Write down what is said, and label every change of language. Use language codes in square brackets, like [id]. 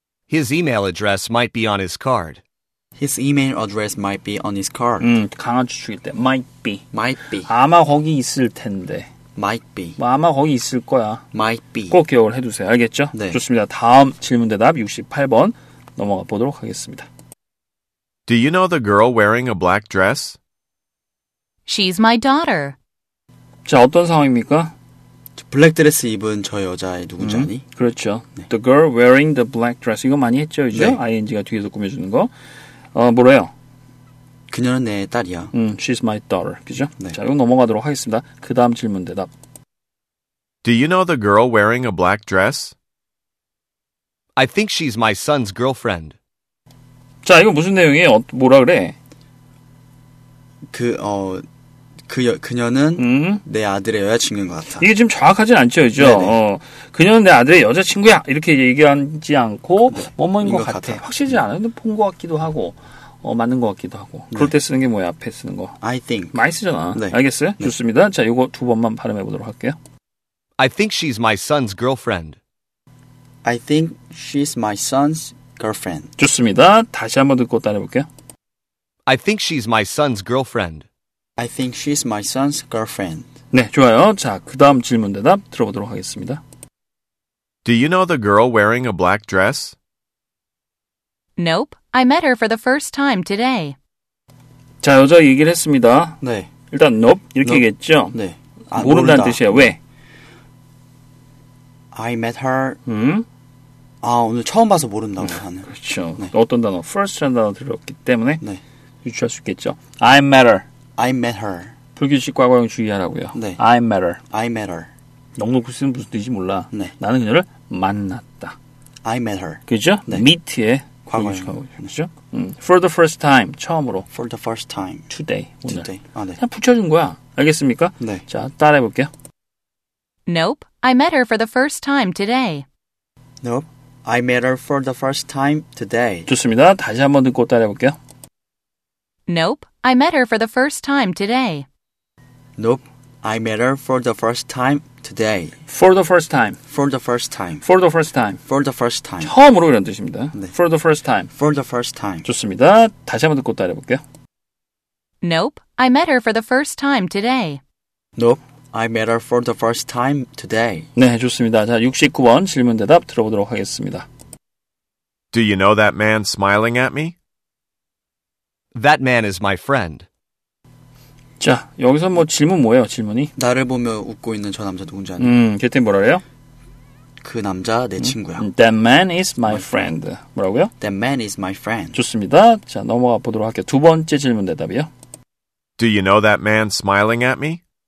[en] His email address might be on his card. His email address might be on his card. [ko] 강한 추측일 때 [en] might be. Might be. [ko] 아마 거기 있을 텐데. [en] Might be. [ko] 뭐 아마 거기 있을 거야. [en] Might be. [ko] 꼭 기억을 해두세요. 알겠죠? 네. 좋습니다. 다음 질문 대답 68번 넘어가 보도록 하겠습니다. [en] Do you know the girl wearing a black dress? She's my daughter. [ko] 자, 어떤 상황입니까? 블랙 드레스 입은 저 여자애 누구지 아니? 그렇죠. 네. [en] The girl wearing the black dress. [ko] 이거 많이 했죠, 이제? 네. ING가 뒤에서 꾸며주는 거. 뭐래요? 그녀는 내 딸이야. [en] She's my daughter. [ko] 그죠? 네. 자, 이거 넘어가도록 하겠습니다. 그 다음 질문 대답. [en] Do you know the girl wearing a black dress? I think she's my son's girlfriend. [ko] 자, 이거 무슨 내용이에요? 뭐라 그래? 그녀는 내 아들의 여자친구인 것 같아. 이게 지금 정확하진 않죠, 그죠? 그녀는 내 아들의 여자친구야. 이렇게 얘기하지 않고 뭐뭐인 네. 것 같아. 확실하지 않아요. 근데 본 것 같기도 하고. 맞는 것 같기도 하고. 네. 그럴 때 쓰는 게 뭐야? 앞에 쓰는 거. [en] I think. [ko] 많이 쓰잖아. 네. 알겠어요? 네. 좋습니다. 자, 이거 두 번만 발음해 보도록 할게요. [en] I think she's my son's girlfriend. I think she's my son's girlfriend. [ko] 좋습니다. 다시 한번 듣고 따라해 볼게요. I think she's my son's girlfriend. I think she's my son's girlfriend. 네, 좋아요. 자, 그 다음 질문 대답 들어보도록 하겠습니다. [en] Do you know the girl wearing a black dress? Nope. I met her for the first time today. [ko] 자, 여자 얘기를 했습니다. 네. 일단 nope 이렇게 nope. 했죠? 네. 아, 모른다는 뜻이에요. 왜? [en] I met her. [ko] 아, 오늘 처음 봐서 모른다고 하는. 그렇죠. 네. 어떤 단어? first라는 단어 들었기 때문에 네. 유추할 수 있겠죠. [en] I met her. I met her. [ko] 불규칙 과거형 주의하라고요. 네. [en] I met her. I met her. [ko] 넉넉히 쓰면 무슨 뜻인지 몰라. 네. 나는 그녀를 만났다. [en] I met her. [ko] 그렇죠? 네. meet의 과거형. 그렇죠? 응. [en] For the first time. [ko] 처음으로. [en] For the first time. Today. [ko] 오늘. [en] Today. [ko] 아, 네. 그냥 붙여준 거야. 알겠습니까? 네. 자, 따라해볼게요. [en] Nope. I met her for the first time today. Nope. I met her for the first time today. [ko] 좋습니다. 다시 한번 듣고 따라해볼게요. [en] Nope. I met her for the first time today. Nope. I met her for the first time today. For the first time. For the first time. For the first time. For the first time. [ko] 처음으로 이런 뜻입니다. 네. [en] For the first time. For the first time. [ko] 좋습니다. 다시 한번 듣고 따라해볼게요. [en] Nope. I met her for the first time today. Nope. I met her for the first time today. [ko] 네, 좋습니다. 자, 69번 질문 대답 들어보도록 하겠습니다. [en] Do you know that man smiling at me? That man is my friend. [ko] 자, 여기서 뭐 질문 뭐예요, 질문이? 나를 보며 웃고 있는 저 남자 누군지 아니? 그랬더니 뭐라 그래요? 그 남자 내 친구야. [en] That man is my friend. [ko] 뭐라고요? [en] That man is my friend. [ko] 좋습니다. 자, 넘어가 보도록 할게요. 두 번째 질문 대답이요. [en] Do you know that man smiling at me?